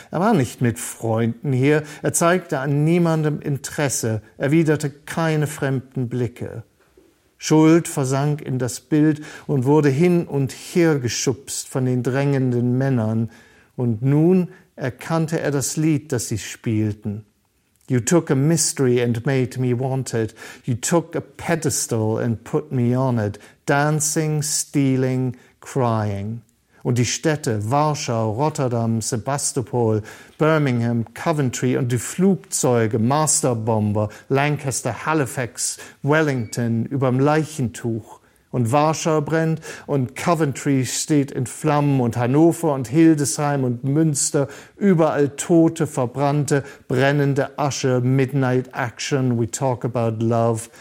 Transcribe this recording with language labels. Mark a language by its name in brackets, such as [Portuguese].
[German] Er war nicht mit Freunden hier. Er zeigte an niemandem Interesse, erwiderte keine fremden Blicke. Schuld versank in das Bild und wurde hin und her geschubst von den drängenden Männern. Und nun erkannte er das Lied, das sie spielten. [English] You took a mystery and made me want it. You took a pedestal and put me on it. Dancing, stealing, crying. [German] und die Städte Warschau, Rotterdam, Sebastopol, Birmingham, Coventry und die Flugzeuge Masterbomber, Lancaster, Halifax, Wellington überm Leichentuch. Und Warschau brennt und Coventry steht in Flammen und Hannover und Hildesheim und Münster, überall tote, verbrannte, brennende Asche, Midnight Action, [English] we talk about love.